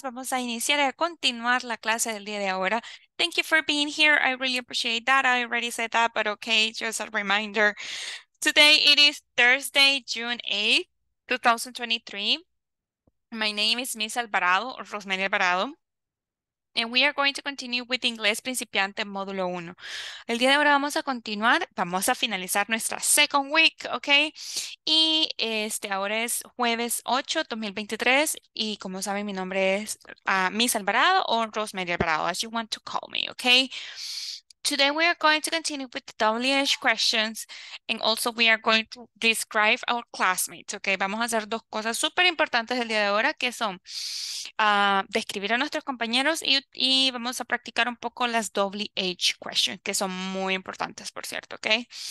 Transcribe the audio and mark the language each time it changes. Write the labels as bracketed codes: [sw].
[es] Vamos a iniciar y a continuar la clase del día de ahora. [en] Thank you for being here. I really appreciate that. I already said that, but okay, just a reminder. Today it is Thursday, June 8th, 2023. My name is Miss Alvarado, or Rosemary Alvarado, and we are going to continue with Inglés Principiante Módulo 1. [es] El día de ahora vamos a continuar, vamos a finalizar nuestra [en] second week, [es] okay? Y ahora es jueves 8, 2023, y como saben, mi nombre es Miss Alvarado o Rosemary Alvarado, [en] as you want to call me, okay? Today we are going to continue with the WH questions and also we are going to describe our classmates, okay? [es] Vamos a hacer dos cosas súper importantes el día de ahora, que son describir a nuestros compañeros y vamos a practicar un poco las WH questions, que son muy importantes, por cierto, okay?